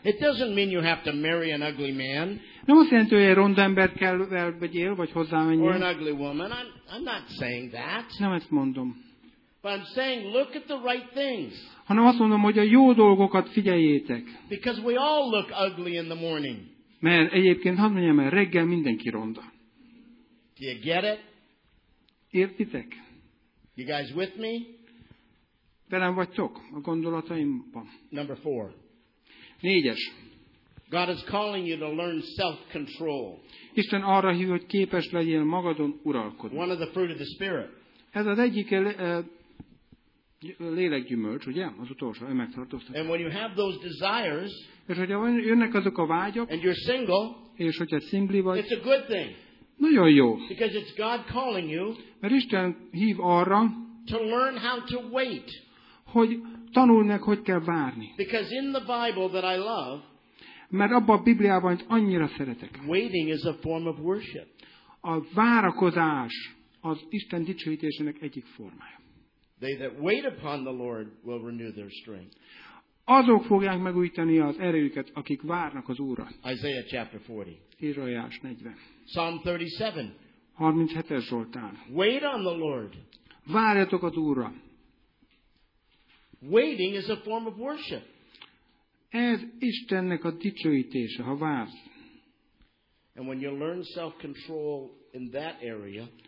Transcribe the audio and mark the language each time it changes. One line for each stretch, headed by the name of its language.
English: It doesn't mean you have to marry an ugly man.
Hungarian: Nem azt jelenti, hogy egy ronda ember kell vegyél, vagy hozzámenjél.
English: Or an ugly woman. I'm not saying that.
Hungarian: Nem ezt mondom.
English: But I'm saying, look at the right things.
Hungarian: Hanem azt mondom, hogy a jó dolgokat figyeljétek.
English: Because we all look ugly in the morning.
Hungarian: Mert egyébként, hadd mondjam el, reggel mindenki ronda.
English: Do you get it?
Hungarian: Értitek?
English: You guys with me?
Hungarian: Velem vagytok a gondolataimban.
English: Number four.
Hungarian: Négyes.
English: God is calling you to learn self-control.
Hungarian: Isten arra hív, hogy képes legyél magadon uralkodni.
English: One of the fruit of the Spirit.
Hungarian: Ez az egyik lélekgyümölcs, ugye? Az utolsó, önmegtartóztatás.
English: And when you have those desires,
Hungarian: és hogyha jönnek azok a vágyok,
English: and you're single,
Hungarian: és hogyha szingli vagy,
English: it's a good thing.
Hungarian: Nagyon jó.
English: Because it's God calling you,
Hungarian: mert Isten hív arra,
English: to learn how to wait.
Hungarian: Hogy tanulj meg, hogy kell várni.
English: Because in the Bible that I love,
Hungarian: mert abban a Bibliában, amit annyira szeretek,
English: waiting is a form of worship.
Hungarian: A várakozás az Isten dicsőítésének egyik formája.
English: They that wait upon the Lord will renew their strength.
Hungarian: Azok fogják megújítani az erőket, akik várnak az Úrra.
English: Isaiah chapter 40.
Hungarian: Ézsaiás 40.
English: Psalm 37.
Hungarian: 37. Zsoltán.
English: Wait on the Lord.
Hungarian: Várjatok az Úrra.
English: Waiting is a form of worship.
Hungarian: Ez Istennek a dicsőítése, ha vársz.
English: And when you learn self-control in that area,